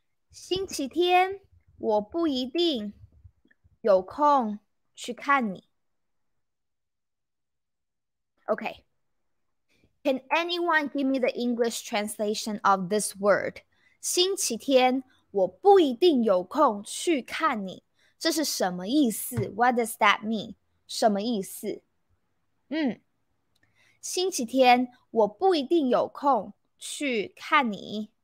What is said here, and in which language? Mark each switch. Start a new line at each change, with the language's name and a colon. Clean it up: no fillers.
Chinese: 星期天我不一定有空去看你。
English: Okay. Can anyone give me the English translation of this word?
Chinese: 星期天我不一定有空去看你。这是什么意思?
English: What does that mean?
Chinese: 什么意思?嗯。星期天我不一定有空去看你。